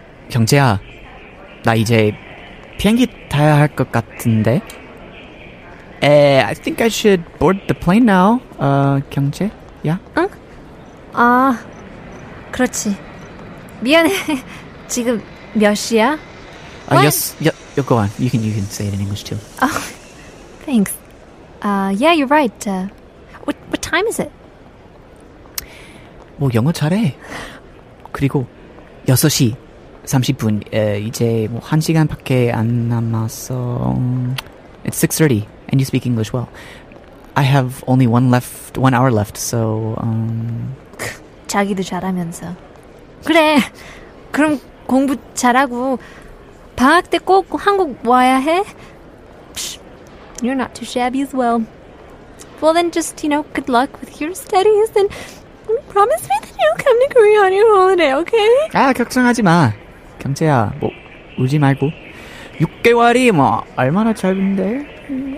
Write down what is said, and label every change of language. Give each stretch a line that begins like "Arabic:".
Korean: 경재야, 나 이제 비행기 타야 할 것 같은데.
English: I think I should board the plane now. 경재, yeah?
Korean: 응? 아, 그렇지. 미안해. 지금 몇 시야?
English: Yes, go on. You can say it in English too. Oh, thanks. Yeah, you're right. What time is it?
Korean: 뭐 영어 잘해. 그리고 6시. 30분. 이제 뭐 한 시간밖에 안 남았어.
English: It's 6:30, and you speak English well. I have only one hour left, so...
Korean: 자기도 잘하면서. 그래, 그럼 공부 잘하고 방학 때 꼭 한국 와야 해?
English: You're not too shabby as well. Well then, just, you know, good luck with your studies, and promise me that you'll come to Korea on your holiday, okay?
Korean: 아, 걱정하지 마. 경재야, 뭐 울지 말고. 6개월이 뭐 얼마나 짧은데?